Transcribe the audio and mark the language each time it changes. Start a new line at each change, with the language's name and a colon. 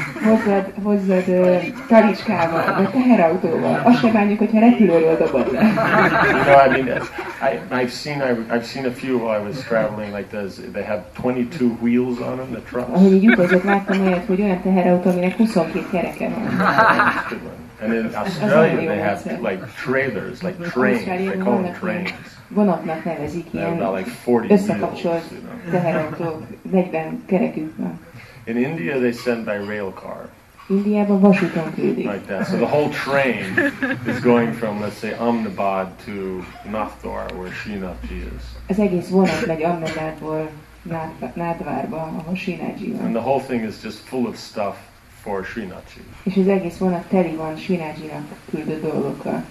Hungarian: Hozzad taricskával, vagy teherautóval. Azt se bánjuk, hogyha repülőről dobod le.
English: You know, I mean, I've seen a few while I was traveling, like they have 22 wheels on them, the trucks.
Hungarian: Ahogy így utazott, láttam olyat, hogy olyan teherautó, aminek 22 kereke van.
English: And in Australia they have like trailers, like trains, they call them trains.
Hungarian: Vonatnak nevezik ilyen összekapcsolt teherautók, 40 kerekük van.
English: In India, they send by rail car.
Hungarian: Indiában vasúton küldik.
English: Like that. So the whole train is going from, let's say, Ahmedabad to Nathdwar, where Srinathji is.
Hungarian: Az egész vonat megy Ahmedabadból Nathdwarba, ahol Srinathji van.
English: And the whole thing is just full of stuff for Srinathji.
Hungarian: És az egész vonat teli van Srinathjinak küldött dolgokkal.